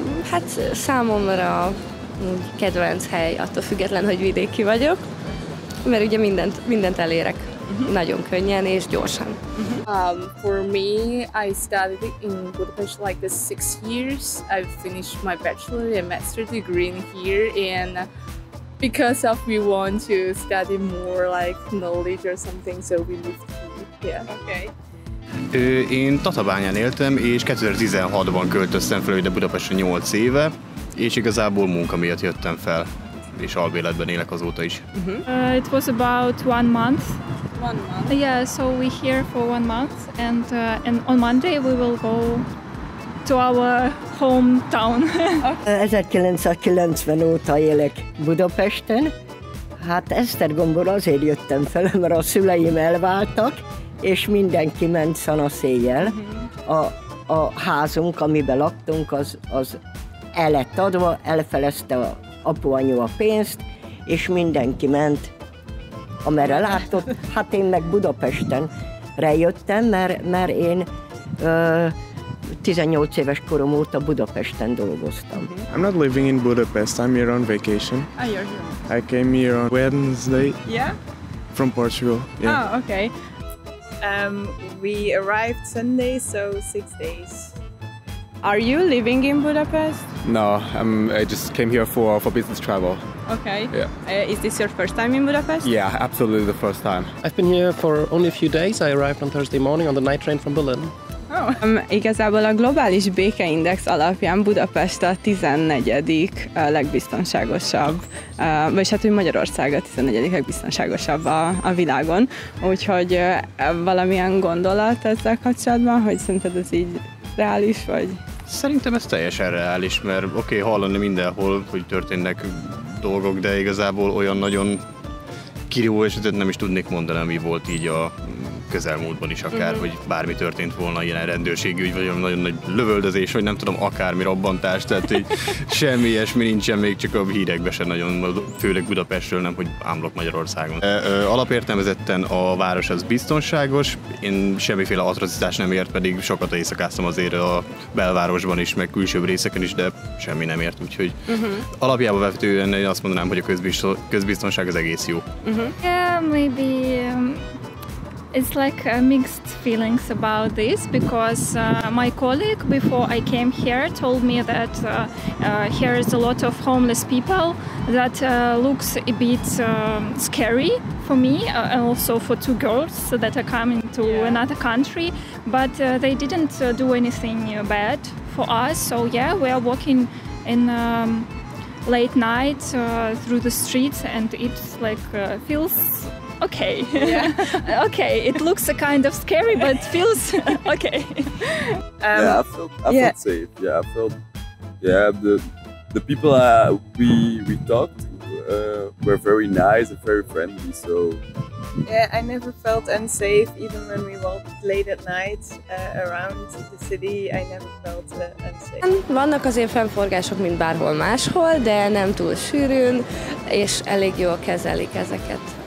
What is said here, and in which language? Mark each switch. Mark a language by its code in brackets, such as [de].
[hu] Hát számomra kedvenc hely, attól független, hogy vidéki vagyok, mert ugye mindent elérek. Mm-hmm. Nagyon könnyen és gyorsan. Mm-hmm. [en] For me, I studied in Budapest like 6 years. I've finished my bachelor and master degree in here, and because of we want to study more like knowledge or something, so we moved here. Yeah. Okay. [hu] Én Tatabányán éltem, és 2016-ban költöztem fel ide Budapestre 8 éve, és igazából munka miatt jöttem fel, és albérletben élek azóta is. [en] Mm-hmm. It was about 1 month. 1 month. Yeah, so we're here for 1 month, and on Monday we will go to our hometown. [hu] 1990 óta élek Budapesten. Hát Esztergomból azért jöttem fel, mert a szüleim elváltak, és mindenki ment szanaszéjjel. A házunk, amiben laktunk, az el lett adva, elfelezte a apu anyu a pénzt, és mindenki ment, amerre látott. Hát én meg Budapesten rejöttem, mert én 18 éves korom óta Budapesten dolgoztam. [en] I'm not living in Budapest, I'm here on vacation. Here. I came here on Wednesday. Yeah? From Portugal. Yeah. Oh, okay. We arrived Sunday, so 6 days. Are you living in Budapest? No, I just came here for business travel. Okay. Yeah. Is this your first time in Budapest? Yeah, absolutely the first time. I've been here for only a few days. I arrived on Thursday morning on the night train from Berlin. Oh. [hu] Igazából a globális békeindex alapján Budapest a 14. legbiztonságosabb, vagyis hát, hogy Magyarország a 14. legbiztonságosabb a világon. Úgyhogy valamilyen gondolat ezzel kapcsolatban, hogy szerinted ez így reális vagy? Szerintem ez teljesen reális, mert oké, hallani mindenhol, hogy történnek dolgok, de igazából olyan nagyon kirívó esetet nem is tudnék mondani, ami volt így a közelmúltban is akár, mm-hmm. hogy bármi történt volna, ilyen rendőrségi ügy, vagy nagyon nagy lövöldözés, vagy nem tudom, akármi robbantás, tehát így semmi ilyesmi nincsen, még csak a hírekben sem nagyon, főleg Budapestről, nem, hogy ámlok Magyarországon. Alapértelmezetten a város az biztonságos, én semmiféle atrocitást nem ért, pedig sokat éjszakáztam azért a belvárosban is, meg külsőbb részeken is, de semmi nem ért, úgyhogy mm-hmm. alapjába vetően én azt mondanám, hogy a közbiztonság az egész jó. [en] Mm-hmm. Yeah, maybe. It's like mixed feelings about this because my colleague before I came here told me that here is a lot of homeless people that looks a bit scary for me and also for two girls that are coming to another country, but they didn't do anything bad for us, so yeah, we are walking in late night through the streets and it's like feels okay. Yeah. Okay, it looks a kind of scary, but feels okay. I felt safe. Yeah, I felt. Yeah, the people we talked to were very nice and very friendly. So. Yeah, I never felt unsafe even when we walked late at night around the city. I never felt unsafe. [hu] Vannak azért fennforgások, mint bárhol máshol, de nem túl sűrűn, és elég jól kezelik ezeket.